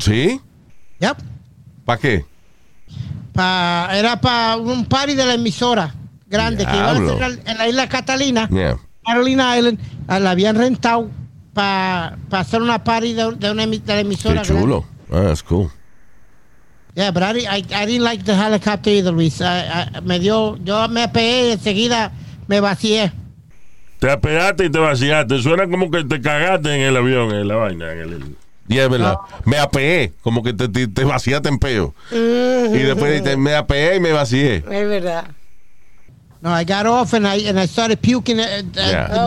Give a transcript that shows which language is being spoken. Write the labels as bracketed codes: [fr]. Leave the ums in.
[es] ¿Sí? ¿Ya? Yep. ¿Para qué? Pa era para un party de la emisora grande Diablo. que iban a ser en la isla Catalina, yeah. Carolina Island, la habían rentado para pa hacer una party de, de una la emisora. Qué chulo. Ah, oh, cool. [en] Yeah, but I, re, I, I, didn't like the helicopter either, Luis. [es] I, I, me dio, yo me apeé y enseguida me vacié. Te apeaste y te vaciaste. Suena como que te cagaste en el avión, en la vaina, en el. verdad. Yeah, no. Me apeé, como que te, te vaciaste en peo. y después me apeé y me vacié. Es verdad. [en] No, I got off and I, and I started puking uh, yeah.